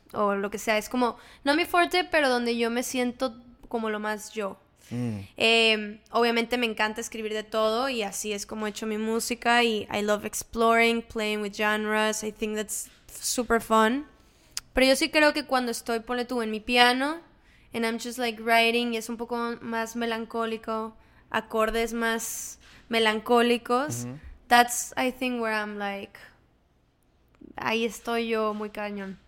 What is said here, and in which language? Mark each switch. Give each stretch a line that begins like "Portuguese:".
Spanish: O lo que sea, es como, no mi fuerte, pero donde yo me siento como lo más yo. Obviamente me encanta escribir de todo y así es como he hecho mi música.
English: Y I love exploring, playing with genres. I think that's super fun.
Spanish: Pero yo sí creo que cuando estoy, ponle tú, en mi piano,
English: and I'm just like writing,
Spanish: y es un poco más melancólico, acordes más melancólicos, mm-hmm.
English: That's, I think, where I'm like,
Spanish: ahí estoy yo muy cañón.